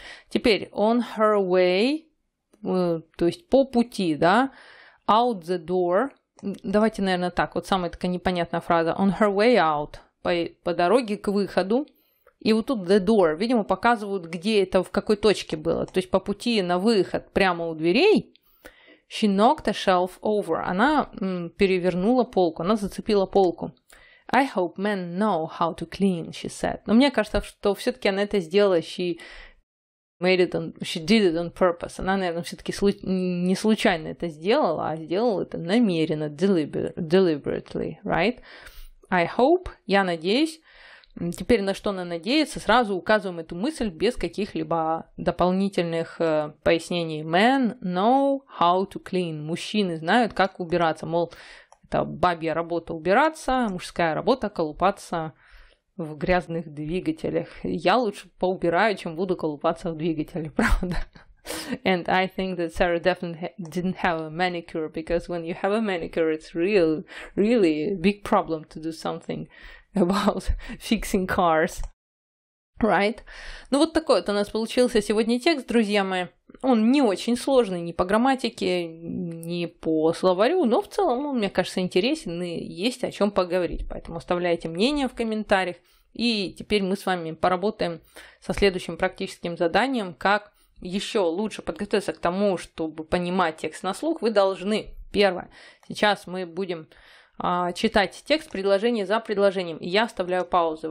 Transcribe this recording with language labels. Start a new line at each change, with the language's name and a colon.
Russian: Теперь,
English: on her way,
Russian: то есть по пути, да,
English: out the door,
Russian: давайте, наверное, так, вот самая такая непонятная фраза,
English: on her way out,
Russian: по дороге к выходу, и вот тут
English: the door,
Russian: видимо, показывают, где это, в какой точке было. То есть по пути на выход прямо у дверей,
English: she knocked a shelf over.
Russian: Она перевернула полку, она зацепила полку.
English: I hope men know how to clean, she said.
Russian: Но мне кажется, что все-таки она это сделала,
English: she did it on purpose.
Russian: Она, наверное, все-таки не случайно это сделала, а сделала это намеренно,
English: deliberately, right? I hope,
Russian: я надеюсь. Теперь на что она надеется, сразу указываем эту мысль без каких-либо дополнительных пояснений.
English: Men know how to clean.
Russian: Мужчины знают, как убираться. Мол, это бабья работа убираться, мужская работа колупаться в грязных двигателях. Я лучше поубираю, чем буду колупаться в двигателе, правда?
English: And I think that Sarah definitely didn't have a manicure, because when you have a manicure, it's really, really big problem to do something about fixing cars, right?
Russian: Ну вот такой вот у нас получился сегодня текст, друзья мои. Он не очень сложный ни по грамматике, ни по словарю, но в целом он, мне кажется, интересен и есть о чем поговорить. Поэтому оставляйте мнение в комментариях. И теперь мы с вами поработаем со следующим практическим заданием, как еще лучше подготовиться к тому, чтобы понимать текст на слух. Вы должны, первое, сейчас мы будем читать текст предложение за предложением, и я оставляю паузы.